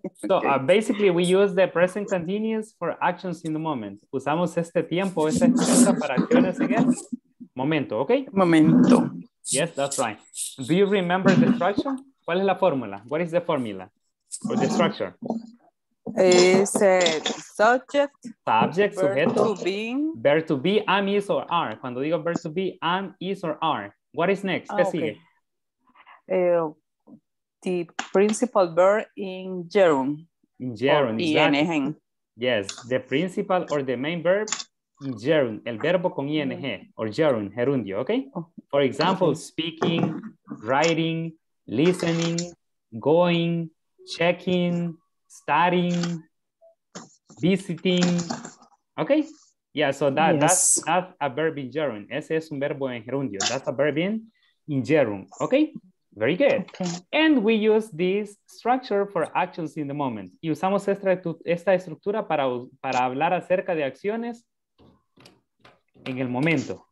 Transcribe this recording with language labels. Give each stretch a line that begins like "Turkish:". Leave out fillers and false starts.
English: Okay. So basically, we use the present continuous for actions in the moment.
Spanish: Usamos este tiempo, esta expresión para acciones en el momento, okay? Momento.
English: Yes, that's right. Do you remember the structure?
Spanish: ¿Cuál es la fórmula?
English: What is the formula or the structure? Is subject, subject, sujeto, verb to be, am, is, or are.
Spanish: Cuando digo
English: verb to be, am, is, or are. What is next?
Spanish: ¿Qué sigue?
English: The principal verb in gerund. In gerund, ing. Yes, the principal or the main verb in gerund.
Spanish: El verbo con
English: ing or gerund, gerundio, okay? For example, speaking, writing, listening, going, checking, studying, visiting, okay? Yeah, so that's a verb in gerund.
Spanish: Ese es un verbo en gerundio.
English: That's a verb in gerund, okay? Very good. Okay. And we use this structure for actions in the moment.
Spanish: Y usamos esta estructura para hablar acerca de acciones en el momento.